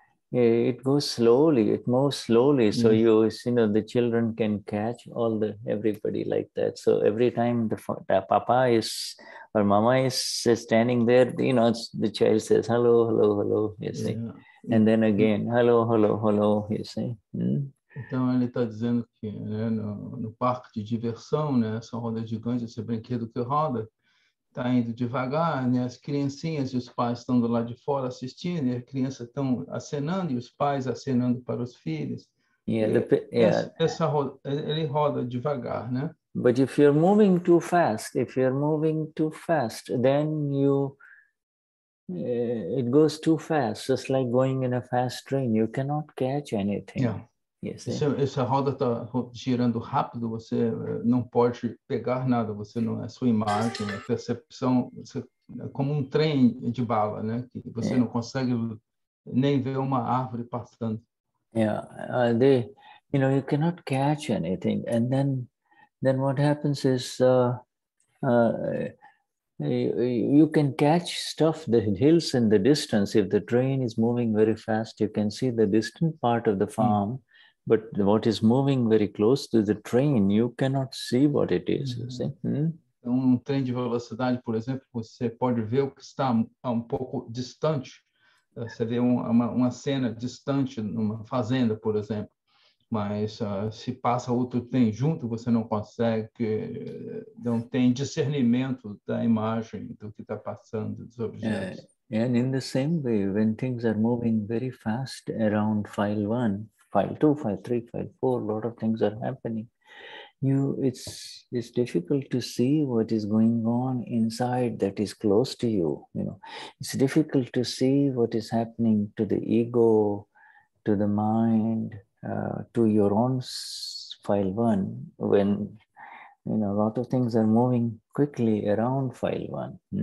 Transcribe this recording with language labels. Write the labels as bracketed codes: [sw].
[en] It goes slowly, it moves slowly, so you know the children can catch everybody like that. So every time the papa is or mama is standing there, you know, the child says hello, hello, hello, you see, yeah. and then again hello, hello, hello, you see. [pt] Então ele está dizendo que, né, no parque de diversão, né, essa roda gigante, esse brinquedo que roda, está indo devagar, né? As criancinhas e os pais estão do lado de fora assistindo, e a criança estão acenando, e os pais acenando para os filhos. [en] Yeah, [pt] ele roda devagar, né? [en] But if you're moving too fast, then you... it goes too fast, just like going in a fast train, you cannot catch anything. Yeah. [pt] Yes, se a roda está girando rápido, você não pode pegar nada, você não é sua imagem, a percepção, você, é como um trem de bala, né? Que você yeah. não consegue nem ver uma árvore passando. [en] Yeah, you cannot catch anything. And then what happens is you can catch stuff, the hills in the distance. If the train is moving very fast, you can see the distant part of the farm. Mm. But what is moving very close to the train, you cannot see what it is, mm-hmm. you see? Hmm? [pt] um trem de velocidade, por exemplo, você pode ver o que está um pouco distante. Você vê uma cena distante numa fazenda, por exemplo. Mas se passa outro trem junto, você não consegue, não tem discernimento da imagem do que está passando, dos objetos. [en] And in the same way, when things are moving very fast around file 1, file 2, file 3, file 4, a lot of things are happening. It's difficult to see what is going on inside that is close to you. You know, it's difficult to see what is happening to the ego, to the mind, to your own file one, when you know a lot of things are moving quickly around file one.